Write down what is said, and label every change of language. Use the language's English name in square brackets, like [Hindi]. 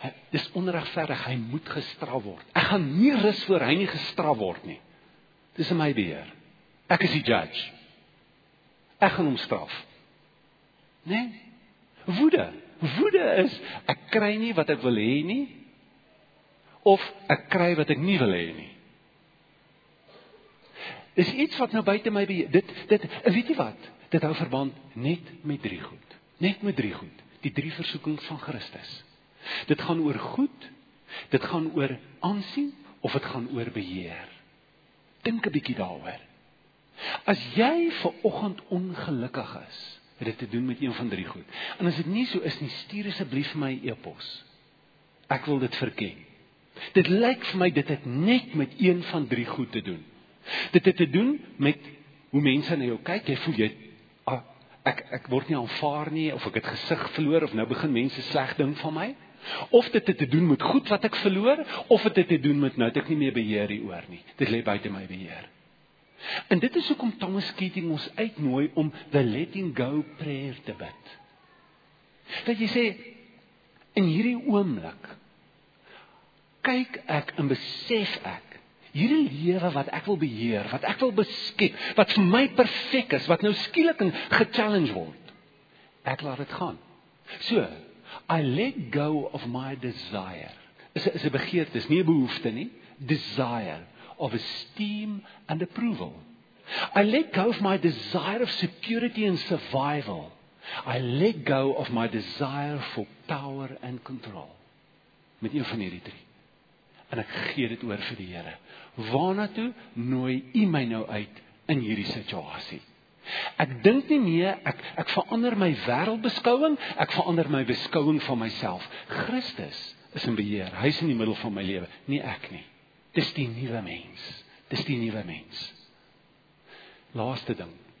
[Afrikaans] Dit is onregverdig, hy moet gestraf word. Ek gaan nie rus voor hy nie gestraf word nie. Dit is in my beheer. Ek is die judge. Ek gaan om straf. Nee. Woede. Woede is, ek kry nie wat ek wil hê nie, of ek kry wat ek nie wil hê nie. Is iets wat nou buiten my beheer, dit, weet jy wat, dit hou verband net met drie goed. Net met drie goed. Die drie versoekings van Christus. Dit gaan oor goed, dit gaan oor aansien, of het gaan oor beheer. Dink 'n bietjie daaroor. As jy vir oggend ongelukkig is, het dit te doen met een van drie goed. En as dit nie so is nie, stuur asseblief my e-pos. Ek wil dit verken. Dit lyk vir my, dit het net met een van drie goed te doen. Dit het te doen met hoe mense na jou kyk, jy voel jy ek word nie aanvaar nie, of ek het gesig verloor, of nou begin mense sleg ding van my, of dit het te doen met goed wat ek verloor, of dit het te doen met nou, het ek nie meer beheer hier oor nie, dit lê buiten my beheer. En dit is ook om Thomas Keating ons uitnooi om the letting go prayer te bid. Dat jy sê, in hierdie oomblik, kyk ek en besef ek, hierdie lewe wat ek wil beheer, wat ek wil beskep, wat vir my perfek is, wat nou skielik en gechallenge word, ek laat het gaan. [English] So, I let go of my desire, [Afrikaans] is 'n begeerte, is nie 'n behoefte nie, desire. [English] Of esteem and approval. I let go of my desire of security and survival. I let go of my desire for power and control. [Afrikaans] Met een van hierdie drie. En ek gee dit oor vir die Here. Waarna toe nooi U my nou uit in hierdie situasie? Ek dink nie meer, ek verander my wêreldbeskouing, ek verander my beskouing van myself. Christus is in beheer, hy is in die middel van my lewe, nie ek nie. Dis die nuwe mens. Dis die nuwe mens. Laaste ding.